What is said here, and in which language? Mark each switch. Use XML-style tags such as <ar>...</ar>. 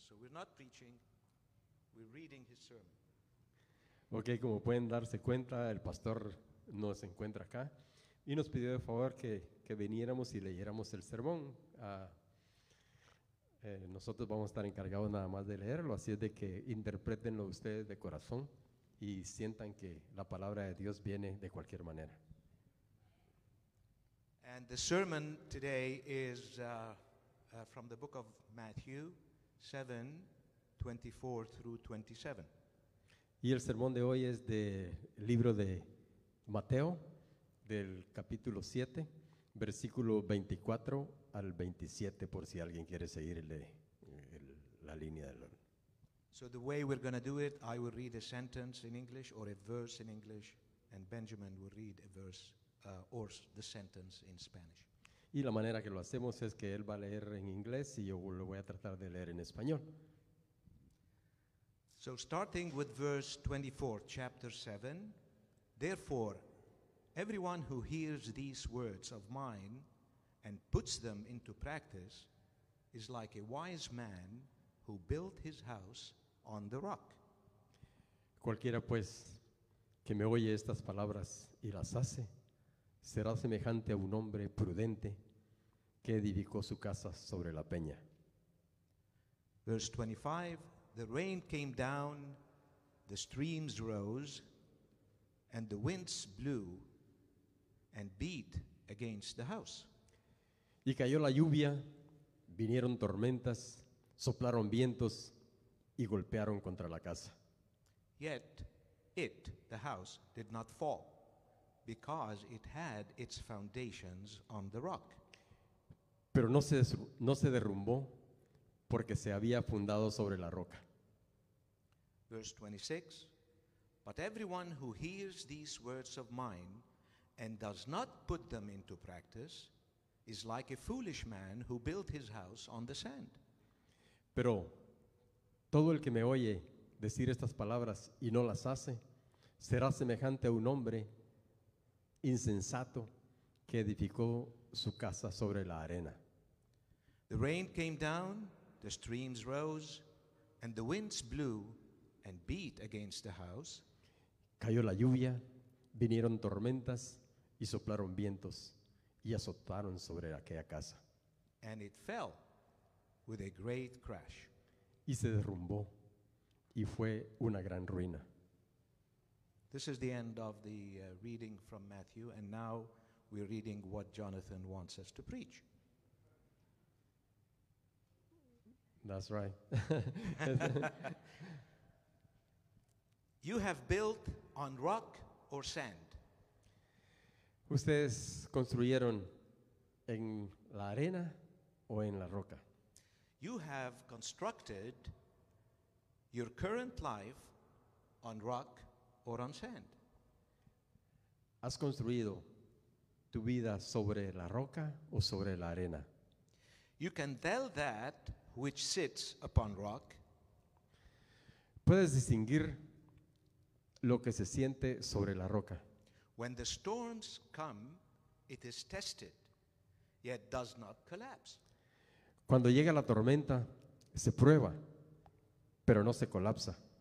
<en>So we're not preaching, we're reading his sermon.</en> <es>Okay, como pueden darse cuenta, el pastor no se encuentra acá y nos pidió de favor que viniéramos y leyéramos el sermón. Nosotros vamos a estar encargados nada más de leerlo, así es de que interpretenlo ustedes de corazón y sientan que la palabra de Dios viene de cualquier manera.</es> <en>And the sermon today is from the book of Matthew 7:24 through 27.</en> <es>Y el sermón de hoy es del libro de Mateo, del capítulo 7, versículo 24 al 27, por si alguien quiere seguir la línea del.</es> <en>So the way we're going to do it, I will read a sentence in English or a verse in English, and Benjamin will read a verse or the sentence in Spanish.</en> <es>Y la manera que lo hacemos es que él va a leer en inglés y yo lo voy a tratar de leer en español.</es> <en>So starting with verse 24, chapter 7, therefore, everyone who hears these words of mine and puts them into practice is like a wise man who built his house on the rock.</en> <es>Cualquiera pues que me oye estas palabras y las hace será semejante a un hombre prudente que edificó su casa sobre la peña.</es> <en>Verse 25, the rain came down, the streams rose, and the winds blew and beat against the house.</en> <es>Y cayó la lluvia, vinieron tormentas, soplaron vientos y golpearon contra la casa.</es> <en>Yet it, the house, did not fall, because it had its foundations on the rock.</en> <es>Pero no se derrumbó porque se había fundado sobre la roca.</es> <en>Verse 26, but everyone who hears these words of mine and does not put them into practice is like a foolish man who built his house on the sand.</en> <es>Pero todo el que me oye decir estas palabras y no las hace será semejante a un hombre insensato que edificó su casa sobre la arena.</es> <en>The rain came down, the streams rose, and the winds blew and beat against the house.</en> <es>Cayó la lluvia, vinieron tormentas y soplaron vientos y azotaron sobre aquella casa.</es> <en>And it fell with a great crash.</en> <es>Y se derrumbó y fue una gran ruina.</es> <en>This is the end of the reading from Matthew, and now we're reading what Jonathan wants us to preach. That's right. You have built on rock or sand.</en> <es>Ustedes construyeron en la arena o en la roca.</es> <en>You have constructed your current life on rock or on sand.</en> <es>Has construido tu vida sobre la roca o sobre la arena.</es> <en>You can tell that which sits upon rock.</en> <es>Puedes distinguir lo que se siente sobre la roca.</es> <en>When the storms come, it is tested, yet does not collapse.</en> <es>Cuando llega la tormenta, se prueba, pero no se colapsa.</es>